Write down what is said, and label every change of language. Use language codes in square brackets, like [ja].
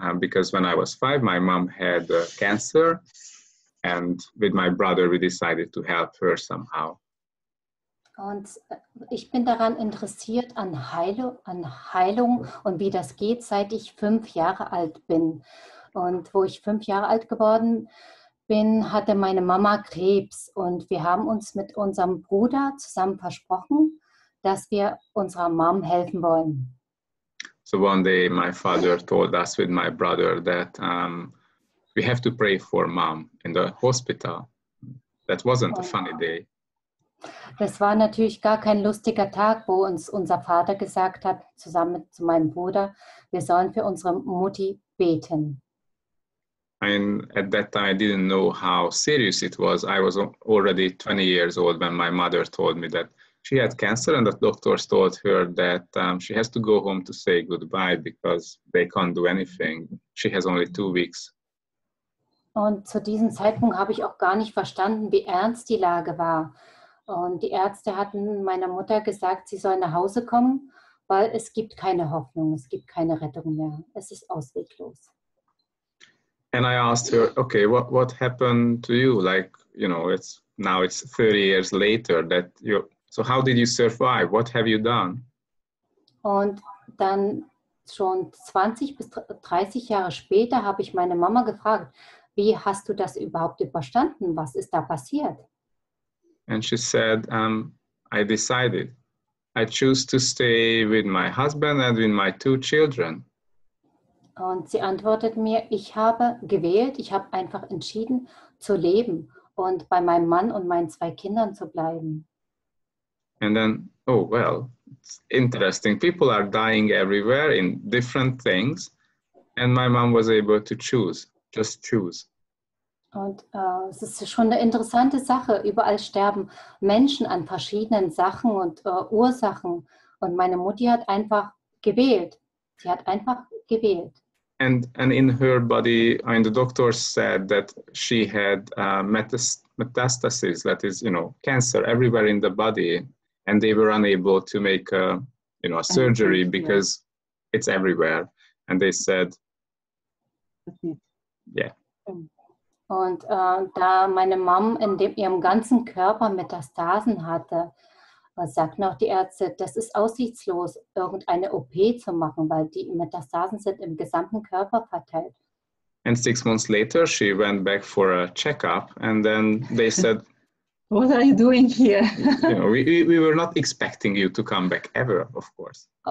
[en] Because when I was 5, my mom had cancer. And with my brother, we decided to help her somehow. [de] Und ich bin daran interessiert an Heilung und wie das geht, seit ich 5 Jahre alt bin. Und wo ich 5 Jahre alt geworden bin, hatte meine Mama Krebs. Und wir haben uns mit unserem Bruder zusammen versprochen, dass wir unserer Mom helfen wollen. [en] So one day my father told us with my brother that we have to pray for Mom in the hospital. That wasn't a funny day. [de] Das war natürlich gar kein lustiger Tag, wo uns unser Vater gesagt hat, zusammen mit zu meinem Bruder, wir sollen für unsere Mutti beten. [en] And at that time I didn't know how serious it was. I was already 20 years old when my mother told me that she had cancer and the doctors told her that she has to go home to say goodbye because they can't do anything. She has only 2 weeks. [de] Und zu diesem Zeitpunkt habe ich auch gar nicht verstanden, wie ernst die Lage war. Und die Ärzte hatten meiner Mutter gesagt, sie soll nach Hause kommen, weil es gibt keine Hoffnung, es gibt keine Rettung mehr. Es ist ausweglos. [en] And I asked her, okay, what happened to you? Like, you know, it's 30 years later that you, so how did you survive? What have you done? [de] Und dann schon 20 bis 30 Jahre später habe ich meine Mama gefragt, wie hast du das überhaupt überstanden? Was ist da passiert? [en] And she said, I decided. I choose to stay with my husband and with my 2 children. [de] Und sie antwortet mir, ich habe gewählt, ich habe einfach entschieden zu leben und bei meinem Mann und meinen 2 Kindern zu bleiben. [en] And then, oh well, it's interesting. People are dying everywhere in different things. And my mom was able to choose, just choose. [de] Und es ist schon eine interessante Sache. Überall sterben Menschen an verschiedenen Sachen und Ursachen. Und meine Mutti hat einfach gewählt. Sie hat einfach gewählt. [en] And in her body, and the doctors said that she had metastasis, that is, you know, cancer everywhere in the body. And they were unable to make a surgery because it's everywhere. And they said, Yeah. [de] Und da meine Mom in dem ihrem ganzen Körper Metastasen hatte, sagt noch die Ärzte, das ist aussichtslos, irgendeine OP zu machen, weil die Metastasen sind im gesamten Körper verteilt. [en] And 6 months later, she went back for a checkup, and then they said, "What are you doing here?" You know, we were not expecting you to come back ever, of course.